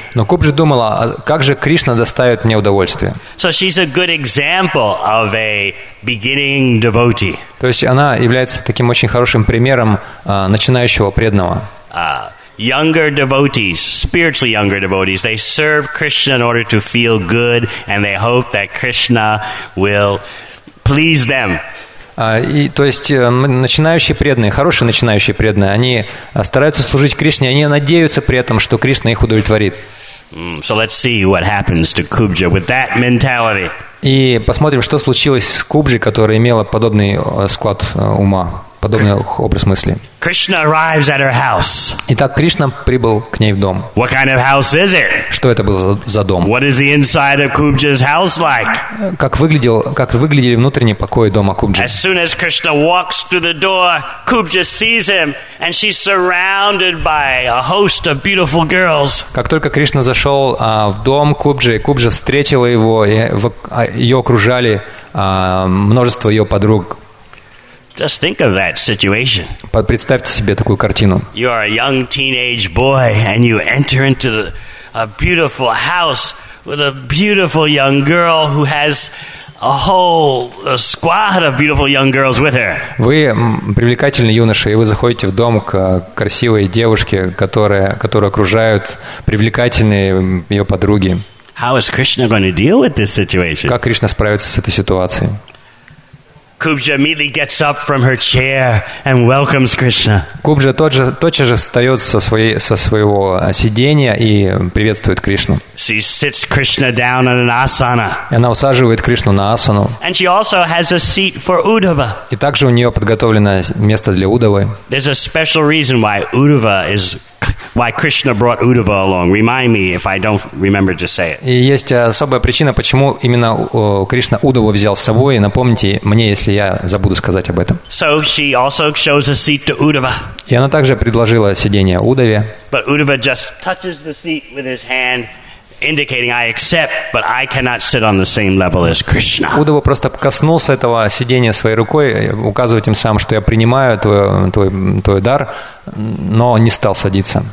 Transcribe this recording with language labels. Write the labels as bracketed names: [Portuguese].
[Russian] Но Кубжа думала, как же Кришна доставит мне удовольствие? [English] So she's a good example of a beginning devotee. [Russian] То есть она является таким очень хорошим примером начинающего преданного. [English] Younger devotees, spiritually younger devotees, they serve Krishna in order to feel good, and they hope that Krishna will please them. [Russian] То есть начинающие преданные, хорошие начинающие преданные, они стараются служить Кришне, они надеются при этом, что Кришна их удовлетворит. [English] So let's see what happens to Kubja with that mentality. [Russian] И посмотрим, что случилось с Кубжей, которая имела подобный склад ума. Подобный образ мысли. [English] Krishna arrives at her house. [Russian] Итак, Кришна прибыл к ней в дом. [English] What kind of house is it? [Russian] Что это был за дом? [English] What is the inside of Kubja's house like? [Russian] Как выглядели внутренние покои дома Кубжи? [English] As soon as Krishna walks through the door, Kubja sees him, and she's surrounded by a host of beautiful girls. [Russian] Как только Кришна зашел в дом Кубжи, Кубжа встретила его, и ее окружали множество ее подруг. [English] Just think of that situation. [Russian] Представьте себе такую картину. [English] You are a young teenage boy, and you enter into a beautiful house with a beautiful young girl who has a whole squad of beautiful young girls with her. [Russian] Вы привлекательный юноша, и вы заходите в дом к красивой девушке, которую окружают привлекательные ее подруги. [English] How is Krishna going to deal with this situation? [Russian] Как Кришна справится с этой ситуацией? [English] Kubja immediately gets up from her chair and welcomes Krishna. [Russian] Кубжа тотчас же встает со своего сидения и приветствует Кришну. [English] She sits Krishna down on an asana. [Russian] И она усаживает Кришну на асану. [English] And she also has a seat for Uddhava. [Russian] И также у нее подготовлено место для Удавы. [English] There's a special reason why Krishna brought Uddhava along. Remind me if I don't remember to say it. [Russian] И есть особая причина, почему именно Кришна Удаву взял с собой. Напомните мне, если я забуду сказать об этом. [English] So she also shows a seat to Uddhava. [Russian] И она также предложила сидение Удаве. [English] But Uddhava just touches the seat with his hand, indicating I accept, but I cannot sit on the same level as Krishna. [Russian] Удава просто коснулся этого сидения своей рукой, указывая тем самым, что я принимаю твой дар, но не стал садиться.